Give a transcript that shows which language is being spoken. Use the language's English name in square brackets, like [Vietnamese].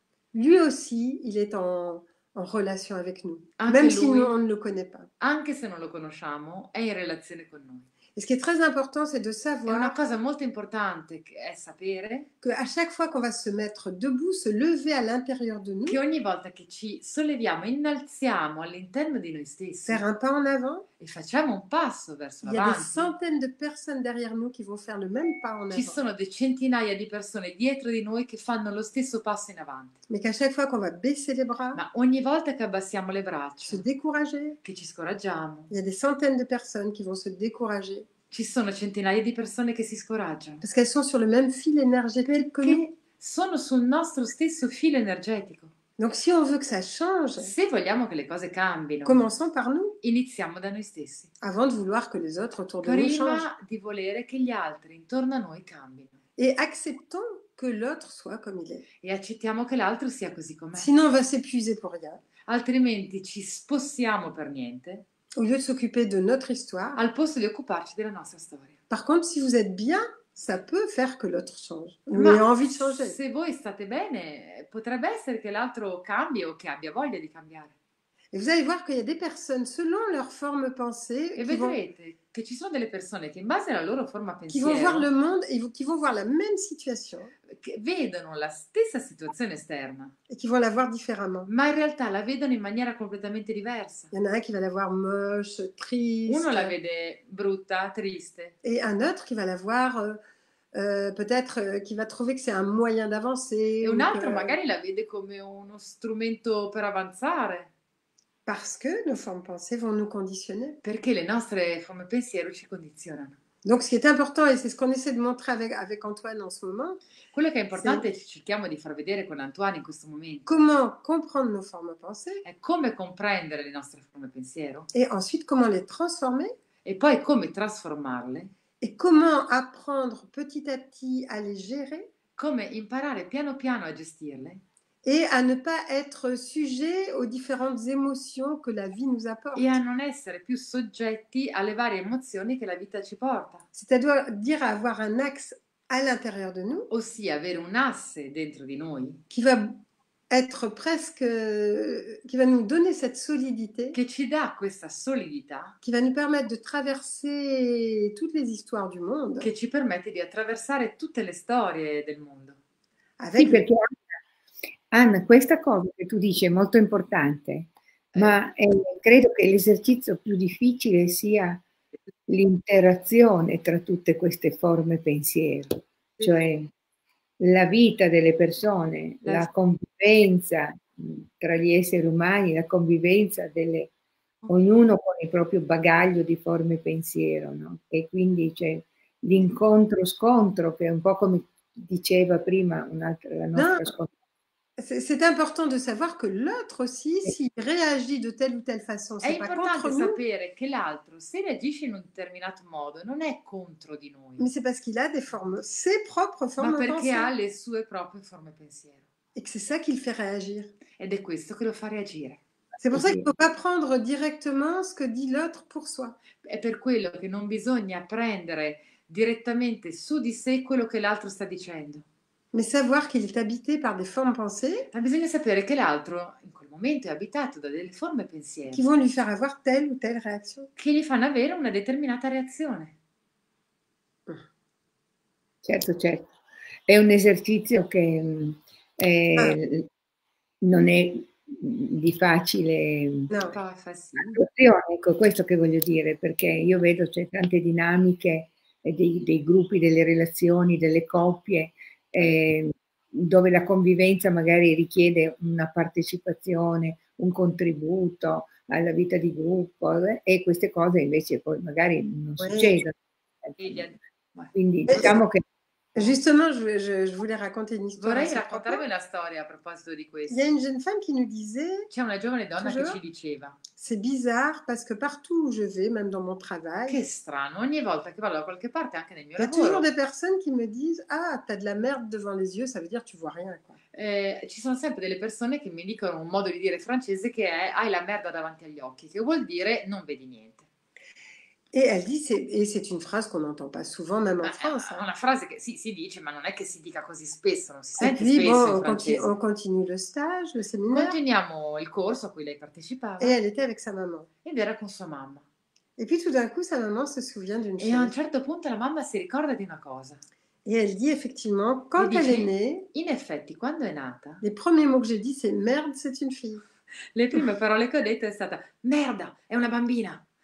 [French] lui aussi, il est en relation avec nous, même lui, si nous on ne le connaît pas. [Italian] Anche se non lo conosciamo, è in relazione con noi. [French] Et ce qui est très important, c'est de savoir. [Italian] È una cosa molto importante è sapere [French] que à chaque fois qu'on va se mettre debout, se lever à l'intérieur de nous, [Italian] che ogni volta che ci solleviamo, innalziamo all'interno di noi stessi, [French] faire un pas en avant. [Italian] E facciamo un passo verso l'avanti. [French] Il y a des centaines de personnes derrière nous qui vont faire le même pas en avant. [Italian] Ci sono des centinaia di persone dietro di noi che fanno lo stesso passo in avanti. [French] Mais qu'à chaque fois qu'on va baisser les bras, [Italian] ma ogni volta che abbassiamo le braccia, [French] se décourager, [Italian] che ci scoraggiamo, [French] il y a des centaines de personnes qui vont se décourager. [Italian] Ci sono centinaia di persone che si scoraggiano. [French] Parce qu'elles sont sur le même fil énergétique que nous. [Italian] Sono sul nostro stesso filo energetico. [French] Donc si on veut que ça change, [Italian] se vogliamo che le cose cambino, [French] commençons par nous. [Italian] Iniziamo da noi stessi. [French] Avant de vouloir que les autres autour de nous changent. [Italian] Prima di volere che gli altri intorno a noi cambino. [French] Et acceptons que l'autre soit comme il est. [Italian] E accettiamo che l'altro sia così com'è. [French] Sinon on va s'épuiser pour rien. [Italian] Altrimenti ci spossiamo per niente. [French] Au lieu de s'occuper de notre histoire, [Italian] al posto di occuparci della nostra storia. [French] Par contre, si vous êtes bien, ça peut faire que l'autre change. Mais a envie de changer. [Italian] Se voi state bene, potrebbe essere che l'altro cambi o che abbia voglia di cambiare. [French] Et vous allez voir qu'il y a des personnes, selon leur forme pensée, [Italian] et vedrete che ci sono delle persone che in base alla loro forma pensiero, [French] qui vont voir le monde et qui vont voir la même situation, [Italian] che vedono la stessa situazione esterna, [French] et qui vont la voir différemment. [Italian] Ma in realtà la vedono in maniera completamente diversa. [French] Il y en a un qui va la voir moche, triste. [Italian] Uno la vede brutta, triste. [French] Et un autre qui va la voir peut-être qui va trouver que c'est un moyen d'avancer. [Italian] E un altro magari la vede come uno strumento per avanzare. [French] Parce que nos formes pensées vont nous conditionner. [Italian] Perché le nostre forme pensiero ci condizionano. [French] Donc ce qui est important, et c'est ce qu'on essaie de montrer avec Antoine en ce moment, [Italian] quello che è importante è che cerchiamo di far vedere con Antoine in questo momento. [French] Comment comprendre nos formes pensées? [Italian] È come comprendere le nostre forme pensiero. [French] Et ensuite, comment les transformer? [Italian] E poi come trasformarle? [French] Et comment apprendre petit à petit à les gérer? [Italian] Come imparare piano piano a gestirle? [French] Et à ne pas être sujet aux différentes émotions que la vie nous apporte. [Italian] E a non essere più soggetti alle varie emozioni che la vita ci porta. [French] C'est-à-dire avoir un axe à l'intérieur de nous. [Italian] Ossia avere un asse dentro di noi. [French] Qui va être presque, qui va nous donner cette solidité. [Italian] Che ci dà questa solidità. [French] Qui va nous permettre de traverser toutes les histoires du monde. [Italian] Che ci permette di attraversare tutte le storie del mondo. Avec sì, perché Anna, questa cosa che tu dici è molto importante, ma credo che l'esercizio più difficile sia l'interazione tra tutte queste forme pensiero, cioè la vita delle persone, la convivenza tra gli esseri umani, la convivenza delle ognuno con il proprio bagaglio di forme pensiero, no? E quindi c'è l'incontro-scontro che è un po' come diceva prima un'altra, la nostra ascoltatrice. [French] C'est important de savoir que l'autre aussi, s'il réagit de telle ou telle façon, c'est pas contre nous. [Italian] È importante sapere che l'altro, se reagisce in un determinato modo, non è contro di noi. [French] Mais c'est parce qu'il a des formes, ses propres formes [Italian] pensées. Ma perché ha le sue proprie forme pensiero. [French] Et c'est ça qui le fait réagir. [Italian] Ed è questo che lo fa reagire. [French] C'est pour ça qu'il ne faut pas prendre directement ce que dit l'autre pour soi. [Italian] È per quello che non bisogna prendere direttamente su di sé quello che l'altro sta dicendo. [French] Mais savoir qu'il est habité par des formes pensées. [Italian] Ma bisogna sapere che l'altro in quel momento è abitato da delle forme pensiero. [French] Qui vont lui faire avoir telle ou telle réaction. [Italian] Che gli fanno avere una determinata reazione. Certo, certo. È un esercizio che non è di facile attuazione. Ecco, questo che voglio dire, perché io vedo c'è tante dinamiche dei gruppi, delle relazioni, delle coppie. Dove la convivenza magari richiede una partecipazione, un contributo alla vita di gruppo, e queste cose invece poi magari non succedono. Quindi diciamo che [French] justement je voulais raconter une histoire. [Italian] Vorrei raccontarvi una storia a proposito di questo. [French] Il y a une jeune femme qui nous disait, [Italian] c'è una giovane donna che ci diceva: [French] c'est bizarre parce que partout où je vais, même dans mon travail. [Italian] Che strano, ogni volta che vado da qualche parte, anche nel mio lavoro. [French] Il y a toujours des personnes qui me disent: ah, t'as de la merde devant les yeux, ça veut dire tu vois rien. [Italian] Ci sono sempre delle persone che mi dicono un modo di dire francese che è: hai la merda davanti agli occhi, che vuol dire non vedi niente. [French] Et elle dit, c'est une phrase qu'on n'entend pas souvent, même en France. Hein. [Italian] Una frase che si dice, ma non è che si dica così spesso, non si sente [French] dit, [Italian] spesso. [French] Bon, on continue le stage, le séminaire. [Italian] Continuiamo il corso a cui lei partecipava. [French] Et elle était avec sa maman. [Italian] Ed era con sua mamma. [French] Et puis tout d'un coup, sa maman se souvient d'une et chose. [Italian] E a un certo punto la mamma si ricorda di una cosa. [French] Et elle dit, effectivement, quand dice, elle est née. [Italian] In effetti, quando è nata. [French] Les premiers mots que j'ai dit, c'est merde, c'est une fille. [Italian] Le prime parole che ho detto è stata: merda, è una bambina.